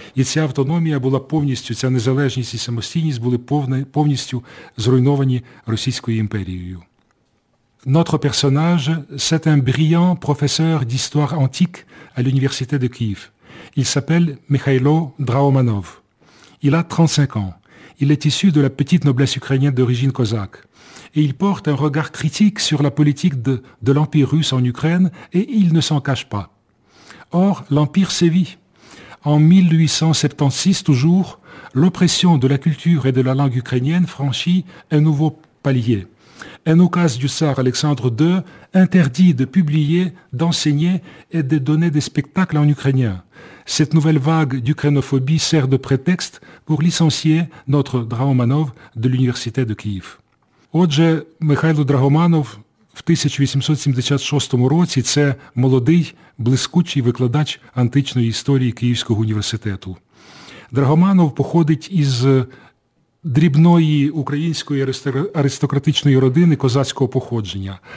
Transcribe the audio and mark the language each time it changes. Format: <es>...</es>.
<uk>І ця автономія була повністю, ця незалежність і самостійність були повністю зруйновані Російською імперією.</uk> <fr>Notre personnage, c'est un brillant professeur d'histoire antique à l'Université de Kiev. Il s'appelle Mikhailo Draomanov. Il a 35 ans. Il est issu de la petite noblesse ukrainienne d'origine cosaque. Et il porte un regard critique sur la politique de l'Empire russe en Ukraine, et il ne s'en cache pas. Or, l'Empire sévit. En 1876, toujours, l'oppression de la culture et de la langue ukrainienne franchit un nouveau palier. Un oukase du tsar Alexandre II interdit de publier, d'enseigner et de donner des spectacles en ukrainien. Cette nouvelle vague d'ukrainophobie sert de prétexte pour licencier notre Draomanov de l'Université de Kiev.</fr> <uk>Отже, Михайло Драгоманов в 1876 році це молодий, блискучий викладач античної історії Київського університету. Драгоманов походить із дрібної української аристократичної родини козацького походження.</uk>